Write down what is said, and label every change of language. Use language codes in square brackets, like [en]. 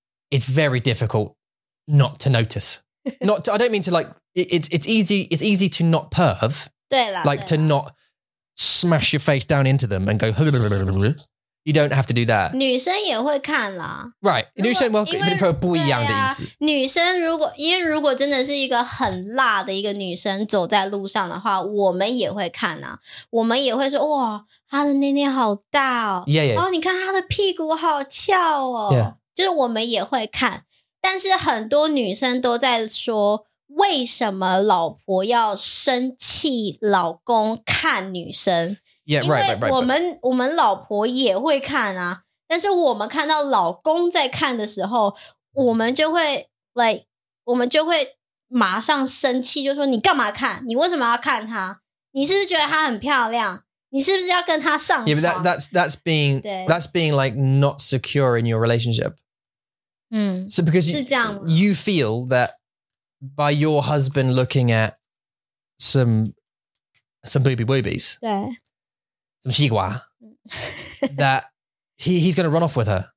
[en] It's very difficult not to notice. I don't mean to like, it's easy to not perv. [zh] 对啦, [en] like [zh] 对啦. [en] To not smash your face down into them and go, you don't have to do that. [zh] 女生也会看啦。 Right. 女生, well, 因为, 不, 不一样的意思。女生如果,因为如果真的是一个很辣的一个女生走在路上的话,我们也会看啦。我们也会说,哇,她的内内好大哦。 [en] Yeah, yeah. [zh] 哦,你看她的屁股好翘哦。 [en] Yeah. [zh] 就是我们也会看，但是很多女生都在说，为什么老婆要生气老公看女生？ [en] Yeah, [zh] 因为 [en] right. [zh] 我们老婆也会看啊，但是我们看到老公在看的时候，我们就会 like 我们就会马上生气，就说你干嘛看？你为什么要看他？你是不是觉得他很漂亮？你是不是要跟他上床？ [en] Yeah, but that's being like not secure in your relationship. 嗯, so because you feel that by your husband looking at some booby boobies, [zh] 对, [en] some 西瓜, that he's going to run off with her.